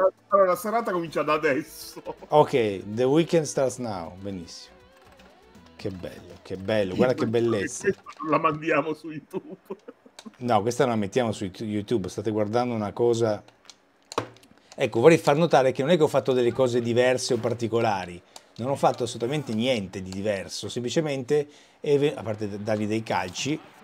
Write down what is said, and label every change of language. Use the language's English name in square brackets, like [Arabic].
[Italian] La serata comincia da adesso. [English] Ok, the weekend starts now. [Italian] Benissimo. Che bello, che bello, guarda che bellezza. La mandiamo su YouTube. No, questa non la mettiamo su YouTube, state guardando una cosa... Ecco, vorrei far notare che non è che ho fatto delle cose diverse o particolari, non ho fatto assolutamente niente di diverso, semplicemente, a parte dargli dei calci.